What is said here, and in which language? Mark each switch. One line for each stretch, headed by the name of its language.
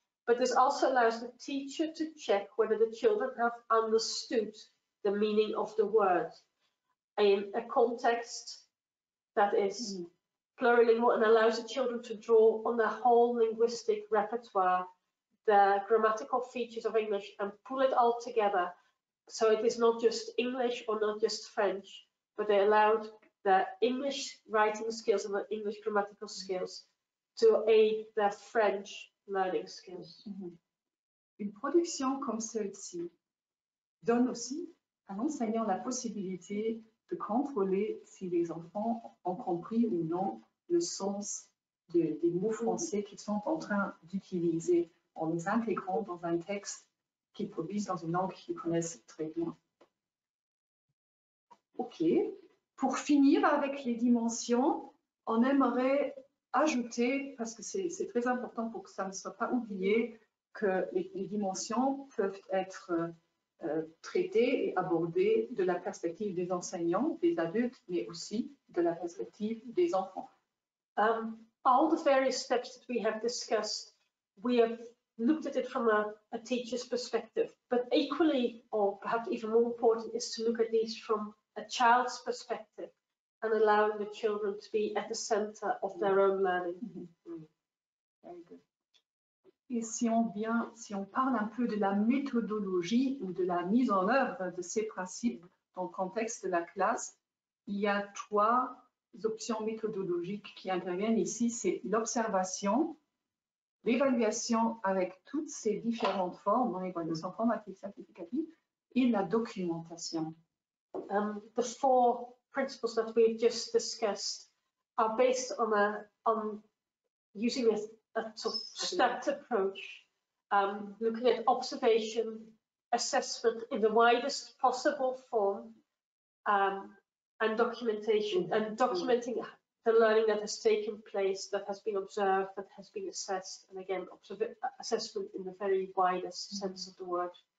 English: But this also allows the teacher to check whether the children have understood the meaning of the word in a context that is plurilingual and allows the children to draw on their whole linguistic repertoire, the grammatical features of English, and pull it all together. So it is not just English or not just French, but they allowed their English writing skills and their English grammatical skills to aid their French learning skills. Mm-hmm.
French: Une production comme celle-ci donne aussi à l'enseignant la possibilité de contrôler si les enfants ont compris ou non le sens des mots français qu'ils sont en train d'utiliser en les intégrant dans un texte qu'ils produisent dans une langue qu'ils connaissent très bien. Ok, pour finir avec les dimensions, on aimerait ajouter, parce que c'est très important pour que ça ne soit pas oublié, que les dimensions peuvent être traitées et abordées de la perspective des enseignants, des adultes, mais aussi de la perspective des enfants.
English: All the various steps that we have discussed, we have looked at it from a teacher's perspective, but equally, or perhaps even more important, is to look at these from a child's perspective and allowing the children to be at the center of their own learning. Mm-hmm. Very good.
French: Et si on parle un peu de la méthodologie ou de la mise en œuvre de ces principes dans le contexte de la classe, il y a trois options méthodologiques qui interviennent ici. C'est l'observation, l'évaluation avec toutes ces différentes formes, l'évaluation formative, certificative, et la documentation.
English: The four principles that we've just discussed are based on using a sort of stepped approach, looking at observation, assessment in the widest possible form, and documentation, and documenting the learning that has taken place, that has been observed, that has been assessed, and again, assessment in the very widest sense of the word.